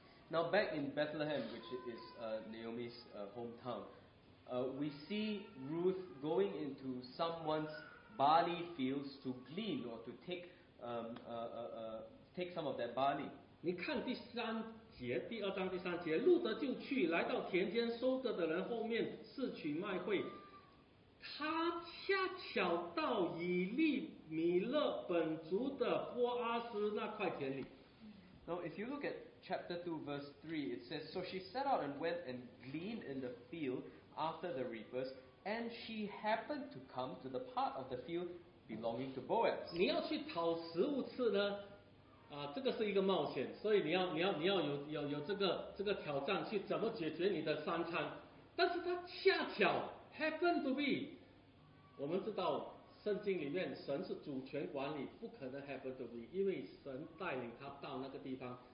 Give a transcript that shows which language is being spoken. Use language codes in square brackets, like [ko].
[en] Now back in Bethlehem, which is Naomi's hometown, we see Ruth going into someone's barley fields to glean or to take some of that barley. [zh] 你看第三。第二章第三节，路德就去来到田间收割的人后面拾取麦穗，他恰巧到以利米勒本族的波阿斯那块田里。 [en] Now, if you look at chapter 2 verse 3, it says, "So she set out and went and gleaned in the field after the reapers, and she happened to come to the part of the field belonging to Boaz." [zh] 你要去讨食物吃呢？这个是一个冒险，所以你要有这个挑战，去怎么解决你的三餐。但是它恰巧 [en] happen to be， [zh] 我们知道圣经里面神是主权管理，不可能 happen to be， 因为神带领他到那个地方。